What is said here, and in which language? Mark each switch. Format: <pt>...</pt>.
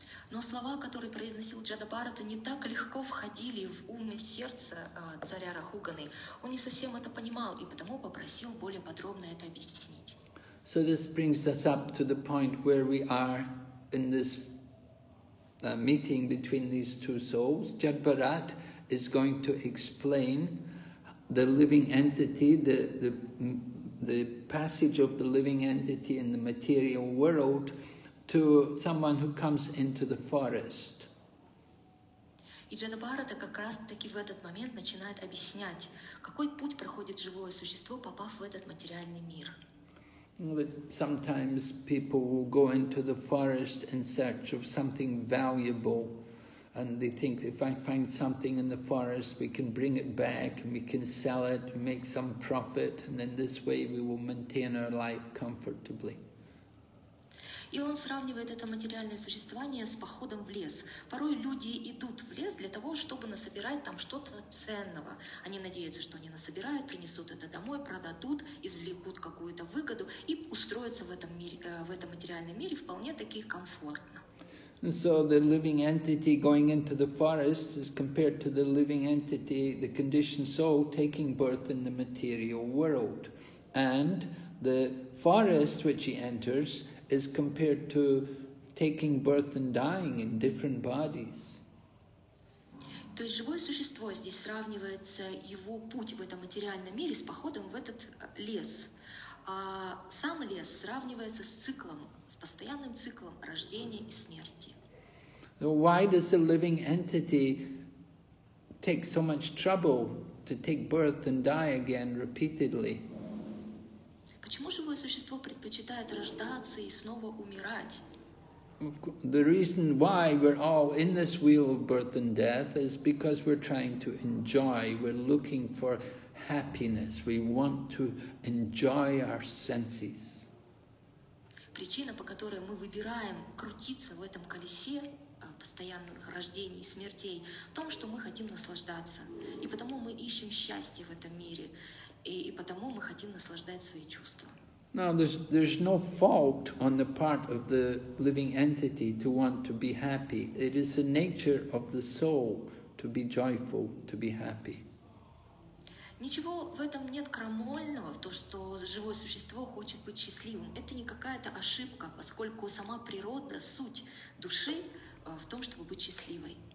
<ru>Но слова, которые произносил Джада Бхарата, не так легко входили в ум и в сердце царя Рахуганы. Он не совсем это понимал и потому попросил более подробно это объяснить.</ru> <en>So this brings us up to the point where we are in this meeting between these two souls. Jad Bharat is going to explain the living entity, the passage of the living entity in the material world to someone who comes into the forest.</en> <ru>И Джада Бхарата как раз таки в этот момент начинает объяснять, какой путь проходит живое существо, попав в этот материальный мир.</ru> <en>Sometimes people will go into the forest in search of something valuable, and they think, if I find something in the forest, we can bring it back, and we can sell it, and make some profit, and then this way we will maintain our life comfortably.</en> <ru>И он сравнивает это материальное существование с походом в лес. Порой люди идут в лес для того, чтобы насобирать там что-то ценного. Они надеются, что они насобирают, принесут это домой, продадут, извлекут какую-то выгоду и устроятся в этом мире, в этом материальном мире вполне таки комфортно.</ru> <en>And so the living entity going into the forest is compared to the living entity, the conditioned soul taking birth in the material world. And the forest which he enters is compared to taking birth and dying in different bodies.</en> <ru>То есть живое существо здесь сравнивается его путь в этом материальном мире с походом в этот лес. А сам лес сравнивается с циклом, с постоянным циклом рождения и смерти.</ru> <en>So why does a living entity take so much trouble to take birth and die again repeatedly?</en> <ru>Почему живое существо предпочитает рождаться и снова умирать?</ru> <en>The reason why we're all in this wheel of birth and death is because we're trying to enjoy, we're looking for happiness, we want to enjoy our senses.</en> <ru>Причина, по которой мы выбираем крутиться в этом колесе постоянных рождений и смертей, в том, что мы хотим наслаждаться. И потому мы ищем счастье в этом мире. И потому мы хотим наслаждать свои чувства.</ru> <en>Now, there's no fault on the part of the living entity to want to be happy. It is the nature of the soul to be joyful, to be happy.</en> <ru>Ничего в этом нет крамольного, в том, что живое существо хочет быть счастливым. Это не какая-то ошибка, поскольку сама природа, суть души в том, чтобы быть счастливой.</ru>